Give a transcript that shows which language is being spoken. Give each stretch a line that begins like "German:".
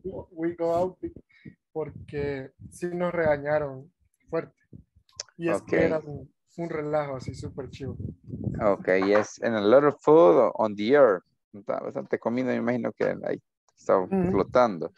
English: We go out
Spanish: porque sí nos regañaron fuerte. Y es que era un relajo así súper chivo.
English: Okay, yes, and a lot of food on the air.
Spanish: Estaba bastante comida, me imagino que ahí estaba flotando.